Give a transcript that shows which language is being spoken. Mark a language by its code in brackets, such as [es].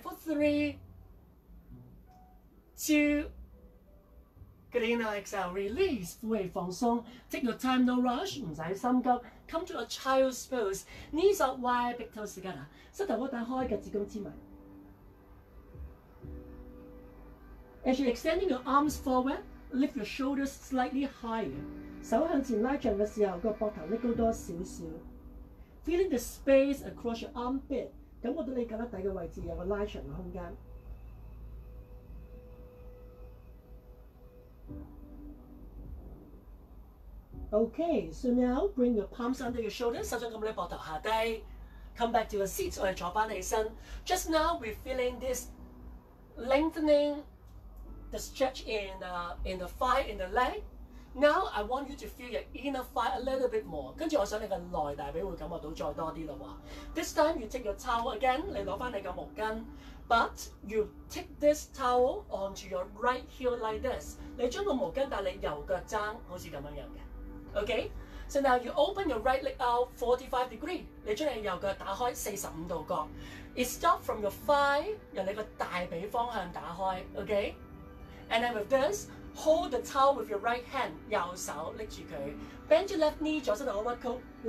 [en] For 3, 2, good inhale, exhale, release, [zh] 呼氣放鬆。 [en] Take your time, no rush, [zh] 唔使心急。 [en] Come to a child's pose, knees up wide, big toes together, [zh] 膝頭窩打開嘅子宮之埋。 [en] As you're extending your arms forward, lift your shoulders slightly higher. [zh] 手向前拉長的時候，個膊頭拎高多少少。 [en] Feeling the space across your armpit， [zh] 感覺到你腳底嘅位置有個拉長嘅空間。 [en] Okay， so now bring your palms under your shoulders， [zh] 手掌撳你膊頭下低。 [en] Come back to your seat， [zh] 我哋坐翻起身。 [en] Just now we're feeling this lengthening， the stretch in the thigh in the leg。 Now I want you to feel your inner thigh a little bit more. [zh] 跟住我想你嘅內大髀會感覺到再多啲啦喎。 [en] This time you take your towel again. [zh] 你攞翻你嘅毛巾 [en] ，but you take this towel onto your right heel like this. [zh] 你將個毛巾帶你右腳踭，好似咁樣樣嘅。 [en] Okay. So now you open your right leg out 45 degree. [zh] 你將你右腳打開45度角。 [en] It starts from your thigh, [zh] 由你個大髀方向打開。 [en] Okay. And then with this. Hold the towel with your right hand, [zh] 右手拎住佢。 [en] Bend your left knee, [zh] 左膝頭屈曲。